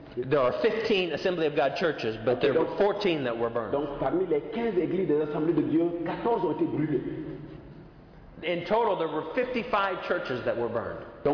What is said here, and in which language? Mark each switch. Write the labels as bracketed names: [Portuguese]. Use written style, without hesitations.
[English] There are 15 Assembly of God churches, but there were 14 that were burned. [French] Donc parmi les 15 églises de l'Assemblée de Dieu, 14 ont été brûlées. [English] In total, there were 55 churches that were burned.